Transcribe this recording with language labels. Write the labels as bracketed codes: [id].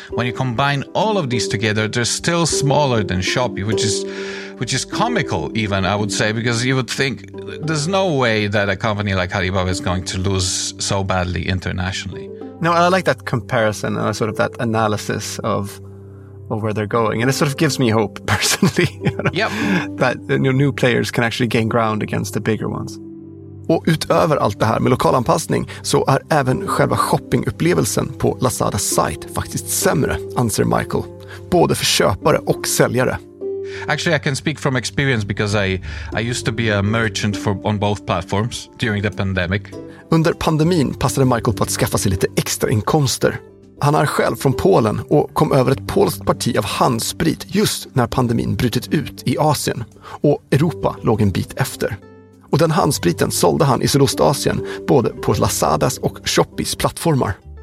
[en] When you combine all of these together, they're still smaller than Shopee, which is comical, even, I would say, because you would think there's no way that a company like Alibaba is going to lose so badly internationally. No, I like that comparison, sort of that analysis of where they're going. And it sort of gives me hope, personally. Yep. That new players can actually gain ground against the bigger ones. [sv] Och utöver allt det här med lokalanpassning så är även själva shoppingupplevelsen på Lazada site faktiskt sämre, anser Michael. Både för köpare och säljare. [en] Actually, I can speak from experience, because I used to be a merchant on both platforms during the pandemic. [sv] Under pandemin passade Michael på att skaffa sig lite extra inkomster. Han är själv från Polen och kom över ett polskt parti av handsprit just när pandemin brutit ut i Asien. Och Europa låg en bit efter. Och den handspriten sålde han i Sydostasien både på Lazadas och Shopees plattformar.